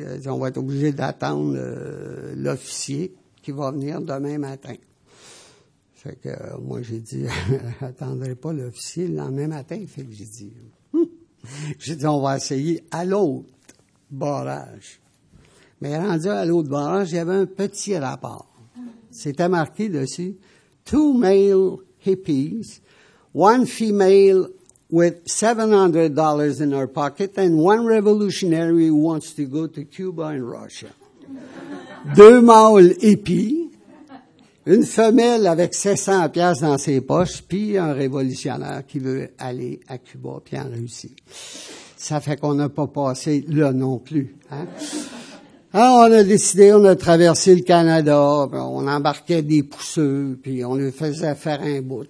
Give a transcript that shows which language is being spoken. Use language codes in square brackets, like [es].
[fr] Il dit, on va être obligé d'attendre l'officier qui va venir demain matin. Fait que moi j'ai dit attendrai pas l'officier le lendemain matin. Fait que j'ai dit on va essayer à l'autre barrage. Mais rendu à l'autre barrage, il y avait un petit rapport. C'était marqué dessus [en] « Two male hippies, one female with $700 in her pocket and one revolutionary who wants to go to Cuba and Russia. [fr] » Deux mâles hippies, une femelle avec 700$ dans ses poches puis un révolutionnaire qui veut aller à Cuba puis en Russie. Ça fait qu'on n'a pas passé là non plus, hein? Alors, on a décidé, on a traversé le Canada, on embarquait des pousseux, puis on les faisait faire un bout.